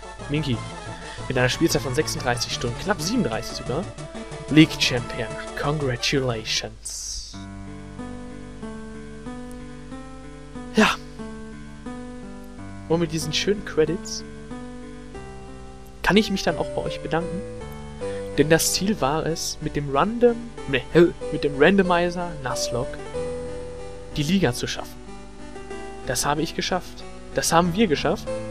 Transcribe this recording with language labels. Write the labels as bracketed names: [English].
[German] Minky, mit einer Spielzeit von 36 Stunden, knapp 37 sogar. [English] League Champion, congratulations. [German] Ja. Und mit diesen schönen Credits kann ich mich dann auch bei euch bedanken. Denn das Ziel war es, mit dem Randomizer Nuzlocke die Liga zu schaffen. Das habe ich geschafft. Das haben wir geschafft.